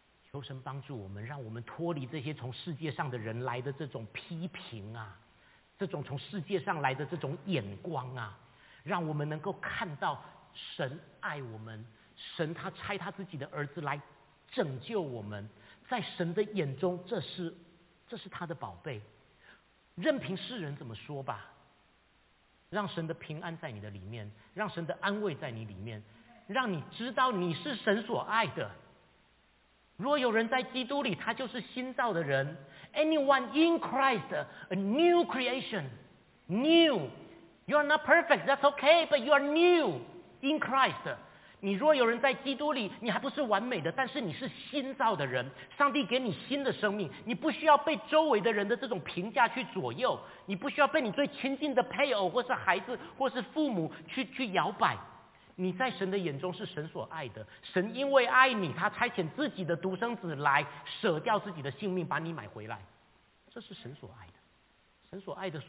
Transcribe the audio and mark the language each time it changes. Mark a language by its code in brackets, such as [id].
[zh] 求神帮助我们，让我们脱离这些从世界上的人来的这种批评啊，这种从世界上来的这种眼光啊，让我们能够看到神爱我们，神他差他自己的儿子来拯救我们，在神的眼中这是他的宝贝，任凭世人怎么说吧，让神的平安在你的里面，让神的安慰在你里面，让你知道你是神所爱的。若有人在基督里，他就是新造的人。 [en] Anyone in Christ, a new creation. New. You are not perfect, that's okay, but you are new in Christ. [zh] 你若有人在基督里，你还不是完美的，但是你是新造的人，上帝给你新的生命，你不需要被周围的人的这种评价去左右，你不需要被你最亲近的配偶或是孩子或是父母去摇摆。你在神的眼中是神所爱的，神因为爱你，他差遣自己的独生子来舍掉自己的性命把你买回来，这是神所爱的，神所爱的。